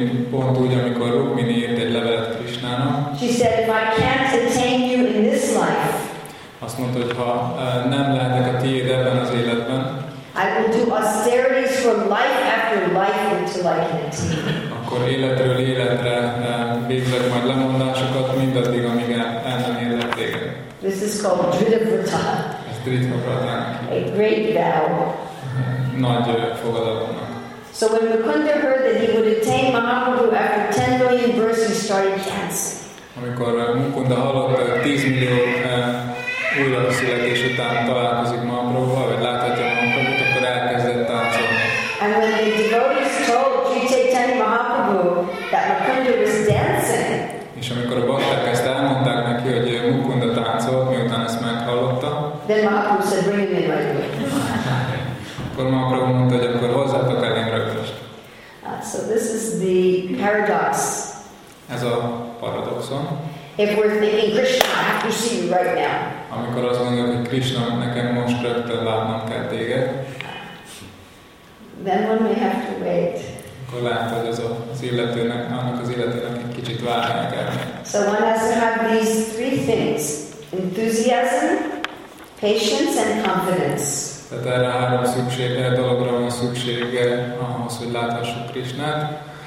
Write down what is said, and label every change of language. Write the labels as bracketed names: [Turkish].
[Hungarian] Pont úgy, amikor Rukmini írt egy levelet Krishnának. [English] She said, if I can't attain you in this life, [Hungarian] azt mondta, hogy ha nem lehetek a tiéd ebben az életben, [English] I will do austerities for life after life until I can attain. [Hungarian] Akkor életről életre végzek majd lemondásokat, mindaddig, amíg el nem érlek téged. [English] This is called dridhavrata. [Hungarian] Ez [English] a great vow. [Hungarian] Nagy fogadalomnak. [English] So when Mukunda heard that he would attain Mahaprabhu after 10 million births, he started dancing. [Hungarian] Amikor Mukunda hallotta, 10 millió újraszületés után találkozik Mahaprabhuval, vagy láthatja Mahaprabhut, akkor elkezdett táncolni. [English] And when the devotees told Sri Chaitanya Mahaprabhu that Mukunda was dancing, [Hungarian] és amikor a bakták ezt elmondták neki, hogy Mukunda táncol, miután ezt meghallotta, [English] then Mahaprabhu said, bring him in right away. [Hungarian] Akkor Mahaprabhu mondta, hogy akkor hozzátok elém rögtest. [English] So this is the paradox. [Hungarian] Ez a paradoxon. [English] If we're thinking Krishna, I have to see you right now. [Hungarian] Amikor azt mondjuk, hogy Krishna, nekem most rögtön látnom kell téged. [English] Then one may have to wait. [Hungarian] Akkor lehet, hogy az az illetőnek, annak az illetőnek egy kicsit várni kell. [English] So one has to have these three things: enthusiasm, patience and confidence. [Hungarian] Tehát erre három szüksége, dologra van szüksége ahhoz, hogy láthassuk Krishnát.